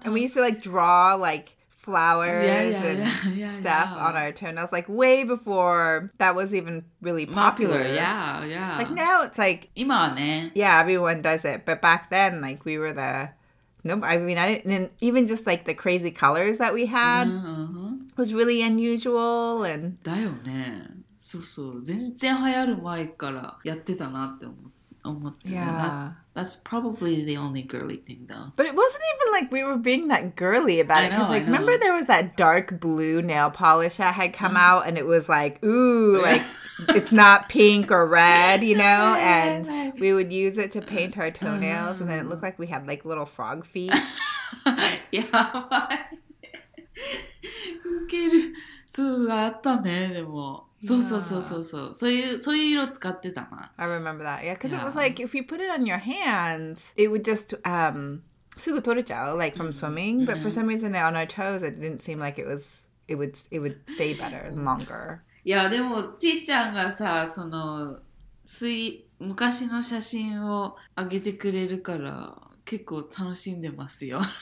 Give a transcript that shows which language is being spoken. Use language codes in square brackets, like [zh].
[en] And we used to like draw like flowers and stuff on our toenails, like way before that was even really popular. Yeah. Like now it's like [ja] 今はね。 [en] Yeah, everyone does it, but back then like we were the Nope, I mean, I didn't, and even just like the crazy colors that we had was really unusual. And [ja] だよね。そうそう。全然流行る前からやってたなって思って。 [en] Yeah. That's probably the only girly thing, though. But it wasn't even like we were being that girly about it. I know, like, remember there was that dark blue nail polish that had come out, and it was like, ooh, like, it's not pink or red, you know? And we would use it to paint our toenails, and then it looked like we had, like, little frog feet. Yeah, but... [ja] Ukeru. So, atta ne, demo. [en] I remember that. Yeah, because it was like, if you put it on your hands, it would just, [ja] sugu torechau, [en] like from swimming. But for some reason, on our toes, it didn't seem like it would stay better, longer. [ja] Yeah, でも、ちーちゃんがさ、その、昔の写真をあげてくれるから、結構楽しんでますよ。